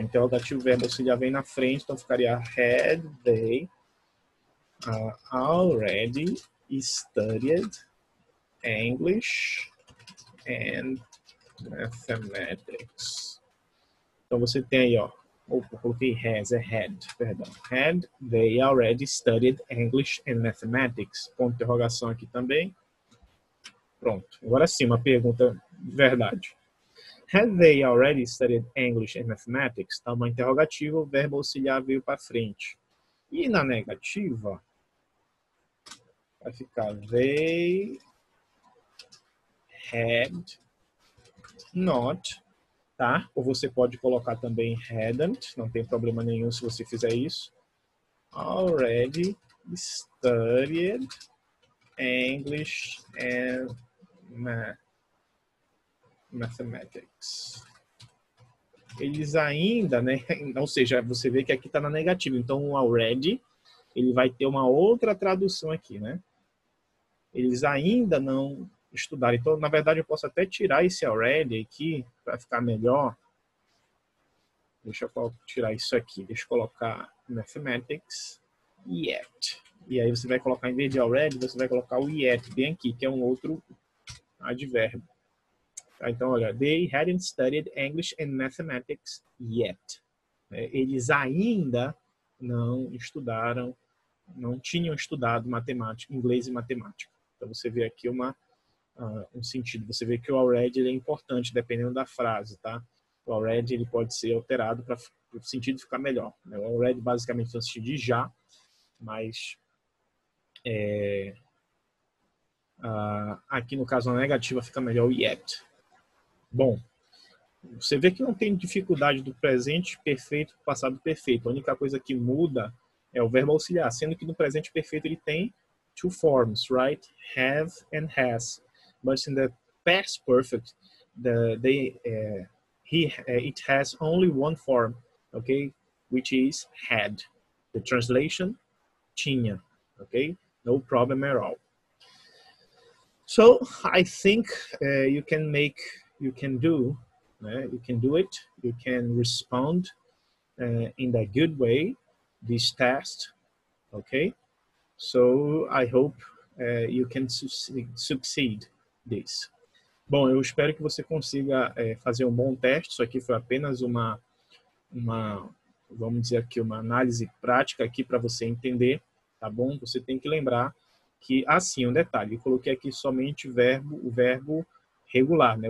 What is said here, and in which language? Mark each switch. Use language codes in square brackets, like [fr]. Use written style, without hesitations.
[pt] Interrogativo, verbo auxiliar vem na frente, então ficaria [en] had they already studied English and mathematics. [pt] Então você tem aí, ó. Opa, coloquei has, é had, perdão. [en] Had they already studied English and mathematics? [pt] Ponto de interrogação aqui também. Pronto. Agora sim, uma pergunta de verdade. [en] Had they already studied English and mathematics? [pt] Tá uma interrogativa, o verbo auxiliar veio para frente. E na negativa, vai ficar [en] they had not, [pt] tá? Ou você pode colocar também hadn't, não tem problema nenhum se você fizer isso. [en] Already studied English and mathematics. [pt] Eles ainda, né? Ou seja, você vê que aqui está na negativa. Então, o already, ele vai ter uma outra tradução aqui, né? Eles ainda não estudaram. Então, na verdade, eu posso até tirar esse already aqui para ficar melhor. Deixa eu tirar isso aqui. Deixa eu colocar [en] mathematics yet. [pt] E aí você vai colocar, em vez de already, você vai colocar o yet bem aqui, que é um outro advérbio. Então, olha, [en] they hadn't studied English and mathematics yet. [pt] Eles ainda não estudaram, não tinham estudado matemática, inglês e matemática. Então, você vê aqui uma, um sentido. Você vê que o already ele é importante, dependendo da frase, tá? O already ele pode ser alterado para o sentido ficar melhor. O already basicamente é um sentido de já, mas... aqui, no caso, a negativa fica melhor o yet. Bom, você vê que não tem dificuldade do presente perfeito para o passado perfeito. A única coisa que muda é o verbo auxiliar, sendo que no presente perfeito ele tem [en] two forms, right? Have and has. But in the past perfect, it has only one form, okay? Which is had. The translation, [pt] tinha, [en] okay? No problem at all. So, I think you can do it, you can respond in a good way, this test, okay? So, I hope you can succeed this. [pt] Bom, eu espero que você consiga fazer um bom teste, isso aqui foi apenas uma vamos dizer aqui, uma análise prática aqui para você entender, tá bom? Você tem que lembrar que, assim, um detalhe, eu coloquei aqui somente o verbo regular, né?